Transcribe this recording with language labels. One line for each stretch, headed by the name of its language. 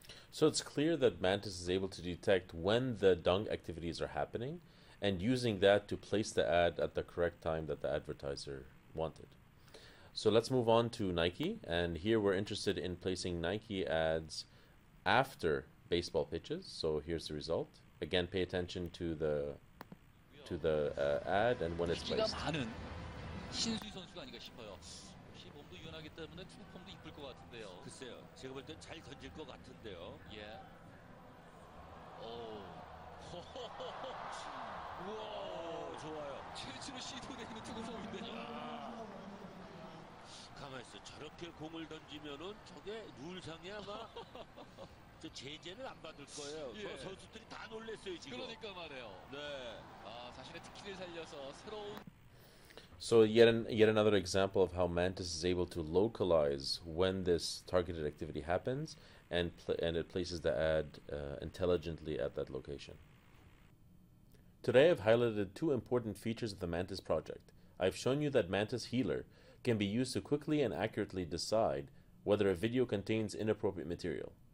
English: So it's clear that Mantis is able to detect when the dunk activities are happening and using that to place the ad at the correct time that the advertiser wanted. So let's move on to Nike, and here we're interested in placing Nike ads after baseball pitches. So here's the result. Again, pay attention to the ad and when it's placed.
Korean: 많은 신수희 선수가 아닌가 싶어요. 혹시 몸도 유연하기 때문에 투구폼도 이쁠 것 같은데요. 글쎄요, 제가 볼 때 잘 던질 것 같은데요. 예. 오. 우와, 좋아요. 최초로 시도되는 투구폼인데요. 가만있어. 저렇게 공을 던지면은 저게 룰상에 아마 저 제재는 안 받을 거예요. 예. 저 선수들이 다 놀랐어요 지금. 그러니까 말해요. 네. 아 자신의 특기를 살려서 새로운.
English: So yet another example of how Mantis is able to localize when this targeted activity happens, and it places the ad intelligently at that location. Today I've highlighted two important features of the Mantis project. I've shown you that Mantis Healer can be used to quickly and accurately decide whether a video contains inappropriate material.